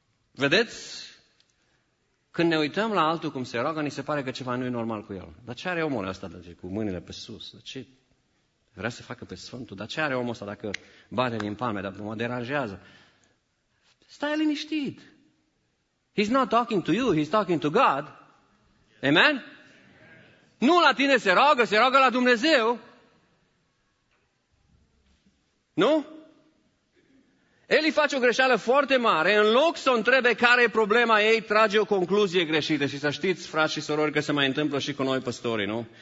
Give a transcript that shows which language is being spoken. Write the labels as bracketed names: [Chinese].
[Romanian] Vedeți? Când ne uităm la altul cum se roagă, ni se pare că ceva nu e normal cu el. Dar ce are omul ăsta cu mâinile pe sus? Dar ce vrea să facă pe Sfântul? Dar ce are omul ăsta dacă bate din palme? Dar mă deranjează. Stai liniștit. [English] He's not talking to you, he's talking to God. Amen? [Romanian] Nu la tine se roagă, se roagă la Dumnezeu. Nu? Eli face o greșeală foarte mare, în loc să o întrebe care e problema ei, trage o concluzie greșită. Și să știți, frați și sorori, că se mai întâmplă și cu noi păstorii, nu?